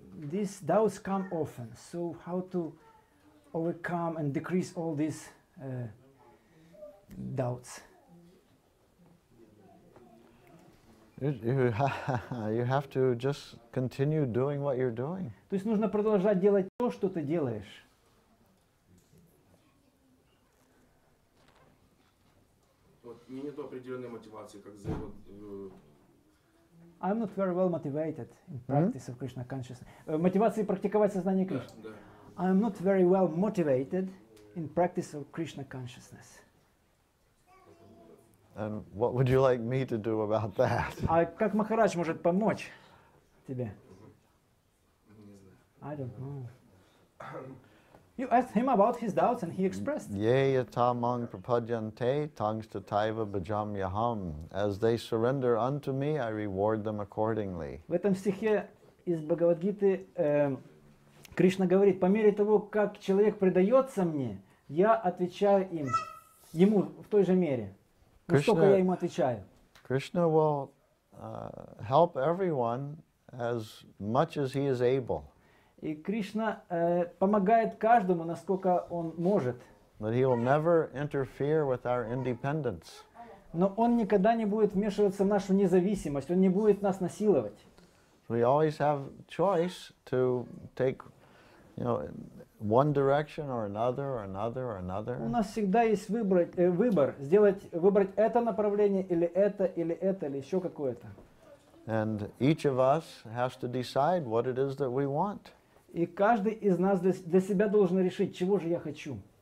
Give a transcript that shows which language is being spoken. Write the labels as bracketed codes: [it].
[en] These doubts come often. So how to overcome and decrease all these doubts? You have to just continue doing what you're doing. [ru] То есть нужно продолжать делать то, что ты делаешь. Вот мне нету определенной мотивации, как за вот. [en] I'm not very well motivated in practice of Krishna consciousness. [ru] Мотивации практиковать сознание Кришны. Да. [en] I'm not very well motivated in practice of Krishna consciousness. And what would you like me to do about that? [ru] А как Махарадж может помочь тебе? [en] I don't know. You asked him about his doubts and he expressed. [sa] Yea tamang prapadyante tangs to taiva bhajam yaham. [en] As they surrender unto me, I reward them accordingly. [ru] В этом стихе из Бхагавадгиты Кришна говорит, по мере того, как человек предается мне, я отвечаю им, ему в той же мере. [en] Krishna will help everyone as much as he is able. [ru] И Кришна помогает каждому, насколько он может. [en] But he will never interfere with our independence. [ru] Но он никогда не будет вмешиваться в нашу независимость, он не будет нас насиловать. [en] We always have choice to take, you know, one direction or another, or another, or another. [ru] У нас всегда есть выбрать это направление или это, или это, или еще какое-то. [en] And each of us has to decide what it is that we want. [ru] И каждый из нас для себя должен решить, чего же я хочу.